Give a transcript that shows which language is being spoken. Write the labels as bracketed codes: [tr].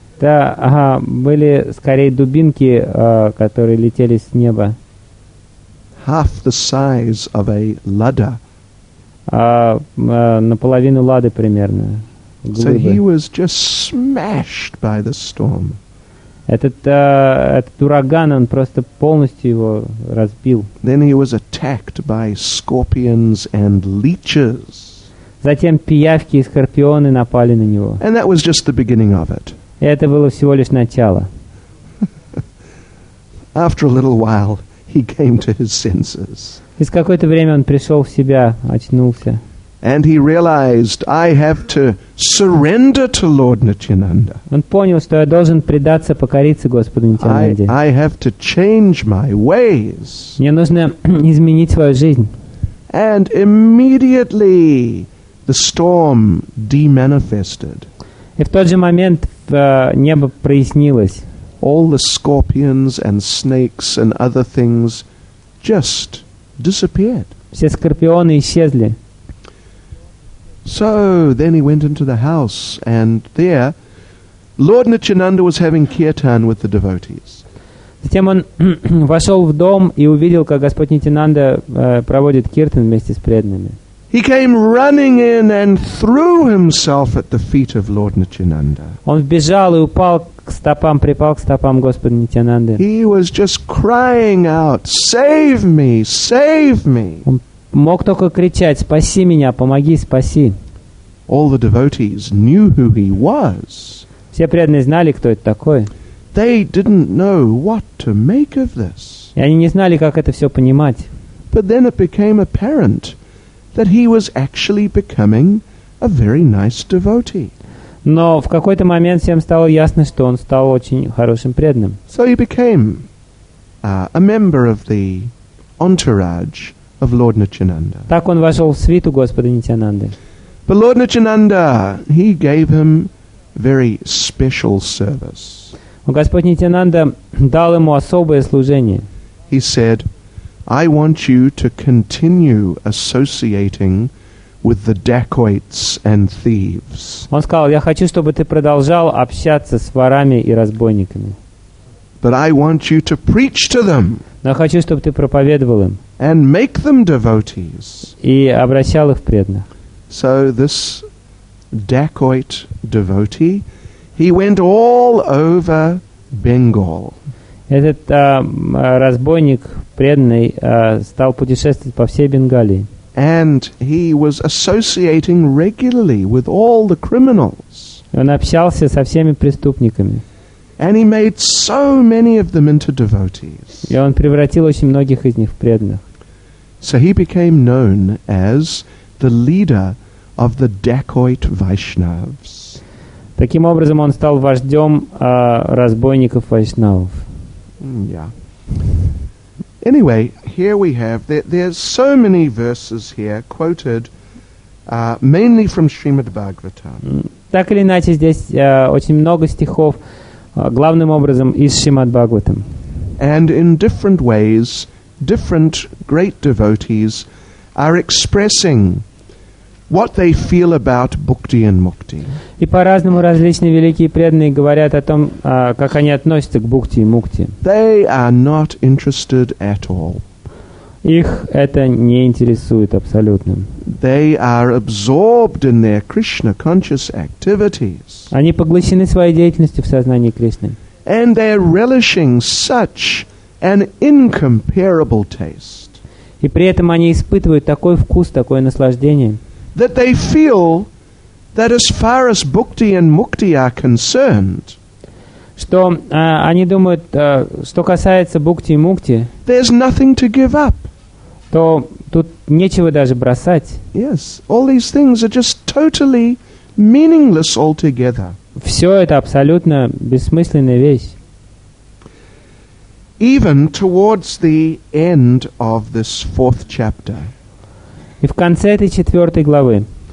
[ru] Да, были скорее дубинки, которые летели с неба. [en] Half the size of a ladder. [ru] Наполовину лады примерно. [en] So he was just smashed by the storm. [ru] Этот ураган, он просто полностью его разбил. [en] Then he was attacked by scorpions and leeches. [ru] Затем пиявки и скорпионы напали на него. [en] And that was just the beginning of it. [ru] И это было всего лишь начало. [en] After a little while, he came to his senses. [ru] Через какое-то время он пришел в себя, очнулся. [en] And he realized, I have to surrender to Lord Nityananda. [ru] Он понял, что я должен предаться, покориться Господу Нитьянанде. [en] I have to change my ways. [ru] Мне нужно изменить свою жизнь. [en] And immediately the storm demanifested. [ru] И в тот же момент небо прояснилось. [en] All the scorpions and snakes and other things just disappeared. [ru] Все скорпионы исчезли. [en] So then he went into the house, and there Lord Nityananda was having kirtan with the devotees. [ru] Затем он вошел в дом и увидел, как Господь Нитьянанда проводит киртан вместе с преданными. [en] He came running in and threw himself at the feet of Lord Nityananda. [ru] Он вбежал и упал к стопам, припал к стопам Господа Нитьянанды. [en] He was just crying out, "Save me, save me!" [ru] Он мог только кричать: "Спаси меня, помоги, спаси!" [en] All the devotees knew who he was. [ru] Все преданные знали, кто это такой. [en] They didn't know what to make of this. [ru] И они не знали, как это все понимать. [en] But then it became apparent that he was actually becoming a very nice devotee. [ru] Но в какой-то момент всем стало ясно, что он стал очень хорошим преданным. [en] So he became a member of the entourage of Lord Nityananda. [ru] Так он вошел в свиту Господа Нитьянанды. [en] But Lord Nityananda, he gave him very special service. [ru] Господь Нитьянанда дал ему особое служение. [en] He said, I want you to continue associating with the dacoits and thieves. [ru] Он сказал: "Я хочу, чтобы ты продолжал общаться с ворами и разбойниками." [en] But I want you to preach to them. [ru] Но я хочу, чтобы ты проповедовал им. [en] And make them devotees. [ru] И обращал их в преданных. [en] So this dacoit devotee, he went all over Bengal. [ru] Этот разбойник преданный стал путешествовать по всей Бенгалии. [en] And he was associating regularly with all the criminals. [ru] Он общался со всеми преступниками. [en] And he made so many of them into devotees. [ru] И он превратил очень многих из них в преданных. [en] So he became known as the leader of the dacoit Vaishnavs. [ru] Таким образом, он стал вождем разбойников вайшнавов. [en] Yeah. Anyway, here we have there's so many verses here quoted mainly from Srimad Bhagavatam. [ru] Так или иначе, здесь очень много стихов, главным образом из Шримад Бхагаватам. [en] And in different ways, different great devotees are expressing what they feel about Bhakti and Mukti. [ru] И по-разному различные великие преданные говорят о том, как они относятся к бхукти и мукти. [en] They are not interested at all. [ru] Их это не интересует абсолютно. [en] They are absorbed in their Krishna conscious activities. [ru] Они поглощены своей деятельностью в сознании Кришны. [en] And they are relishing such an incomparable taste. [ru] И при этом они испытывают такой вкус, такое наслаждение. [en] That they feel that as far as bhukti and mukti are concerned, [ru] что они думают, что касается бхукти и мукти, [en] there's nothing to give up. [ru] То тут нечего даже бросать. [en] Yes, all these things are just totally meaningless altogether. [ru] Все это абсолютно бессмысленная вещь. [en] Even towards the end of this fourth chapter. [ru] И в конце этой четвертой главы.